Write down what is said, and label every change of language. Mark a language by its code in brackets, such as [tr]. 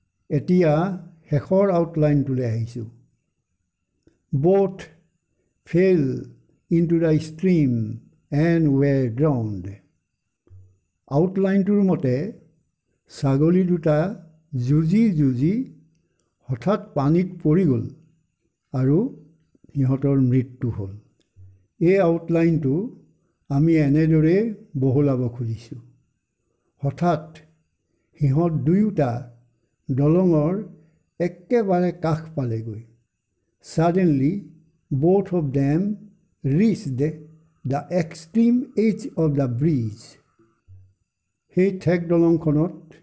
[as] এতিয়া শেষৰ আউটলাইনটোলৈ আহিছোঁ। [en] Both fell into the stream and were drowned. [as] আউটলাইনটোৰ মতে ছাগলী দুটা যুঁজি যুঁজি হঠাৎ পানীত পৰি গ'ল আৰু সিহঁতৰ মৃত্যু হ'ল। এই আউটলাইনটো আমি এনেদৰে বহলাব খুজিছোঁ। হঠাৎ সিহঁত দুয়োটা দলঙৰ একেবাৰে কাষ পালেগৈ। [en] Suddenly both of them reached the extreme edge of the bridge. [as] সেই ঠেক দলংখনত